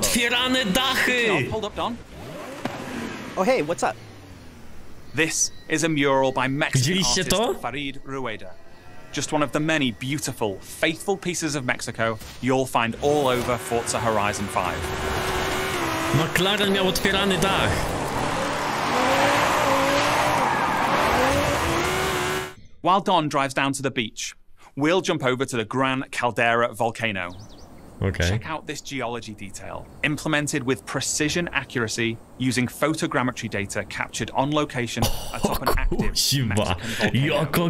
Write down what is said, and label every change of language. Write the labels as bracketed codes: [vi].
[pl] Otwierane dachy! [en] Hold up, Don. Oh, hey, what's up? This is a mural by Mexican artist Farid Rueda. Just one of the many beautiful, faithful pieces of Mexico you'll find all over Forza Horizon 5. [pl] McLaren miał otwierany dach. [en] While Don drives down to the beach, we'll jump over to the Gran Caldera volcano. Okay. Check out this geology detail, implemented with precision accuracy using photogrammetry data captured on location atop an active Mexican volcano.